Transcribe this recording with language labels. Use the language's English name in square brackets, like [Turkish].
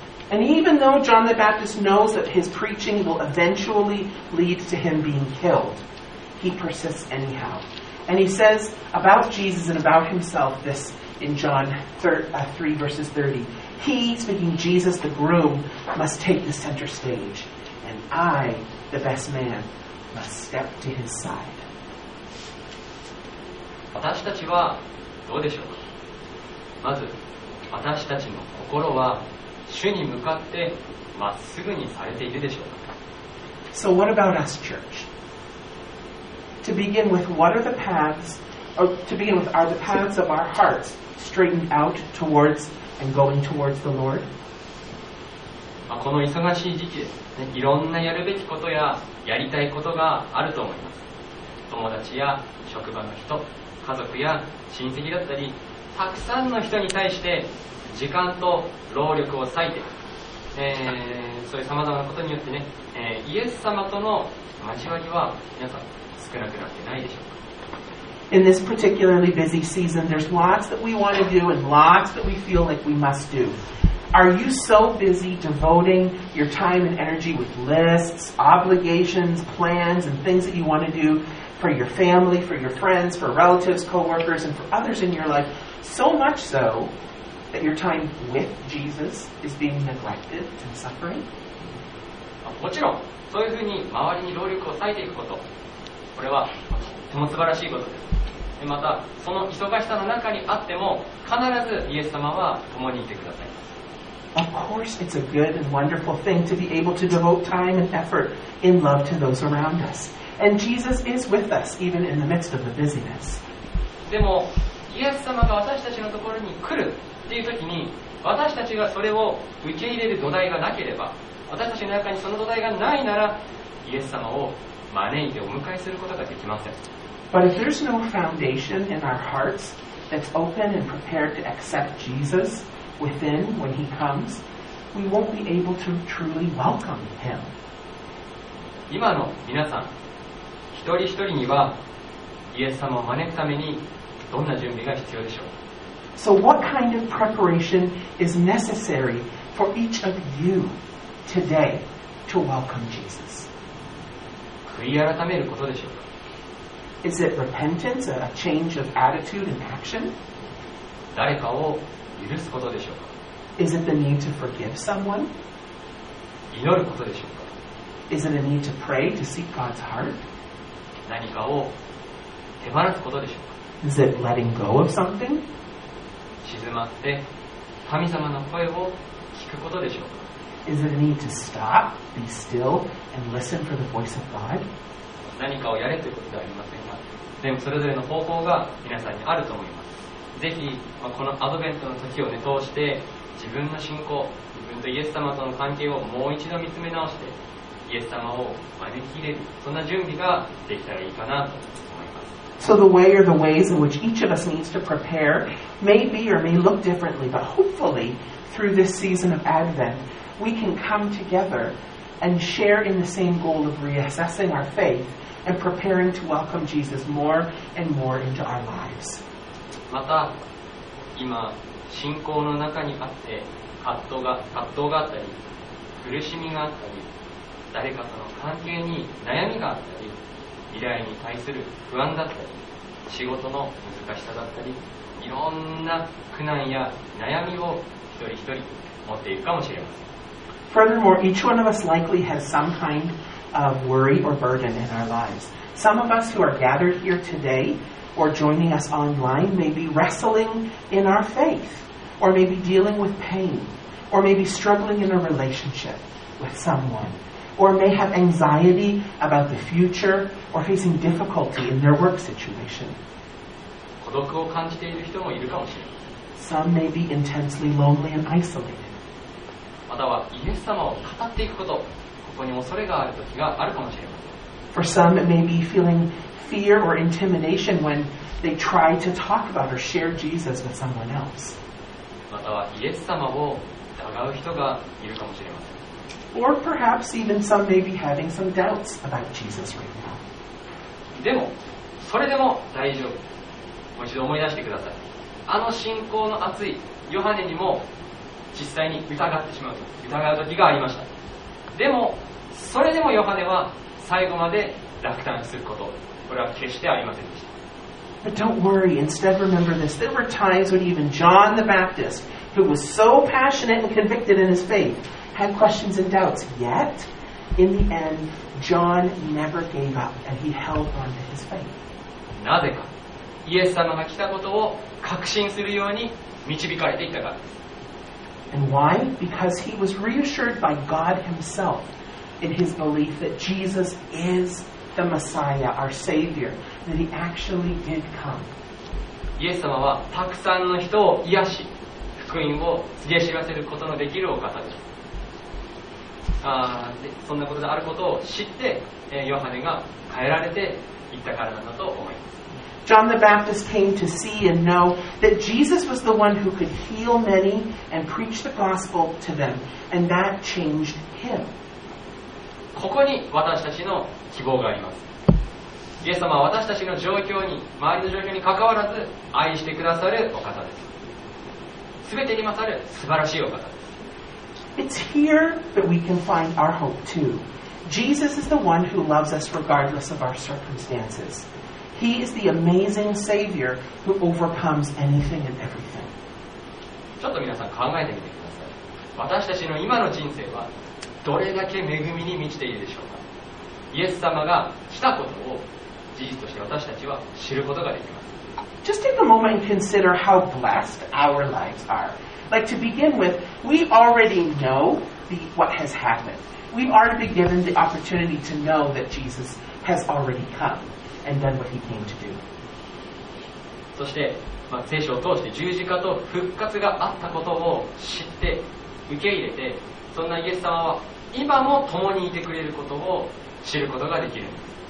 [English] And even though John the Baptist knows that his preaching will eventually lead to him being killed, he persists anyhow. And he says about Jesus and about himself this in John 3 verses 30. He, speaking Jesus the groom, must take the center stage, and I, the best man, must step to his side. [Japanese] 私たちはどうでしょうか?まず、私たちの心は主に向かってまっすぐにされているでしょうか? [English] So what about us, church? To begin with, what are the paths, or to begin with, are the paths of our hearts straightened out towards and going towards the Lord? [Japanese] まあ、この忙しい時期です、ね、いろんなやるべきことややりたいことがあると思います。友達や職場の人、家族や親戚だったり、たくさんの人に対して時間と労力を割いて、そういうさまざまなことによってね、イエス様との交わりは皆さん少なくなってないでしょうか。 [English] In this particularly busy season, there's lots that we want to do and lots that we feel like we must do. Are you so busy devoting your time and energy with lists, obligations, plans, and things that you want to do for your family, for your friends, for relatives, co-workers, and for others in your life? So much so that your time with Jesus is being neglected and suffering? [Japanese] もちろん、そういうふうに周りに労力を割いていくこと、これはとても素晴らしいことです。でまた、その忙しさの中にあっても、必ずイエス様は共にいてくださいます。 [English] Of course, it's a good and wonderful thing to be able to devote time and effort in love to those around us. And Jesus is with us, even in the midst of the busyness. [Japanese] でも、イエス様が私たちのところに来るっていう時に私たちがそれを受け入れる土台がなければ私たちの中にその土台がないならイエス様を招いてお迎えすることができません。 [English] But if there's no foundation in our hearts that's open and prepared to accept Jesus within when he comes, we won't be able to truly welcome him. [Japanese] 今の皆さん、一人一人にはイエス様を招くためにどんな準備が必要でしょう? [English] So what kind of preparation is necessary for each of you today to welcome Jesus? [Japanese] 悔い改めることでしょうか? [English] Is it repentance, a change of attitude and action? [Japanese] 誰かを許すことでしょうか? [English] Is it the need to forgive someone? [Japanese] 祈ることでしょうか。 [English] Is it a need to pray to seek God's heart? [Japanese] 何かを手放すことでしょうか。 [English] Is it letting go of something? [Japanese] 静まって神様の声を聞くことでしょうか。 [English] Is it a need to stop, be still, and listen for the voice of God? [Japanese] 何かをやれということではありませんが、でもそれぞれの方法が皆さんにあると思います。ぜひこのアドベントの時を通して自分の信仰、自分とイエス様との関係をもう一度見つめ直して、イエス様を招き入れる、そんな準備ができたらいいかなと思います。 [English] So the way or the ways in which each of us needs to prepare may be or may look differently, but hopefully through this season of Advent, we can come together and share in the same goal of reassessing our faith and preparing to welcome Jesus more and more into our lives. [Japanese] また今信仰の中にあって葛藤があったり苦しみがあったり誰かとの関係に悩みがあったり未来に対する不安だったり仕事の難しさだったりいろんな苦難や悩みを一人一人持っていくかもしれません。 [English] Furthermore, each one of us likely has some kind of worry or burden in our lives. Some of us who are gathered here today or joining us online may be wrestling in our faith, or maybe dealing with pain, or maybe struggling in a relationship with someone, or may have anxiety about the future or facing difficulty in their work situation. [Japanese] 孤独を感じている人もいるかもしれません。 [English] Some may be intensely lonely and isolated. [Japanese] またはイエス様を語っていくこと、ここに恐れがある時があるかもしれません。 [English] For some, it may be feeling fear or intimidation when they try to talk about or share Jesus with someone else. [Japanese] またはイエス様を疑う人がいるかもしれません。 [English] Or perhaps even some may be having some doubts about Jesus right now. [Japanese] でも、それでも大丈夫。もう一度思い出してください。あの信仰の熱いヨハネにも実際に疑ってしまう、疑う時がありました。でも、それでもヨハネは最後まで落胆すること、これは決してありませんでした。 [English] But don't worry, instead remember this. There were times when even John the Baptist, who was so passionate and convicted in his faith, had questions and doubts. Yet, in the end, John never gave up and he held on to his faith. [Japanese] なぜか、イエス様が来たことを確信するように導かれていたからです。 [English] And why? Because he was reassured by God himself in his belief that Jesus is the Messiah, our Savior, that he actually did come. [Japanese] イエス様はたくさんの人を癒し、福音を告げ知らせることのできるお方です。そんなことであることを知って、ヨハネが変えられていったからなんだと思います。 [English] John the Baptist came to see and know that Jesus was the one who could heal many and preach the gospel to them, and that changed him. [Japanese] ここに私たちの希望があります。イエス様は私たちの状況に、周りの状況に関わらず愛してくださるお方です。すべてに勝る素晴らしいお方です。 [English] It's here that we can find our hope too. Jesus is the one who loves us regardless of our circumstances. He is the amazing Savior who overcomes anything and everything. [Japanese] ちょっと皆さん考えてみてください。私たちの今の人生はどれだけ恵みに満ちているでしょうか。イエス様が来たことを事実として私たちは知ることができます。 [English] Just take a moment and consider how blessed our lives are. Like to begin with, we already know what has happened. We've already given the opportunity to know that Jesus has already come. And done what he came to do. [Japanese] そして、聖書を通して十字架と復活があったことを知って受け入れて、そんなイエス様は今も共にいてくれることを知ることができるんです。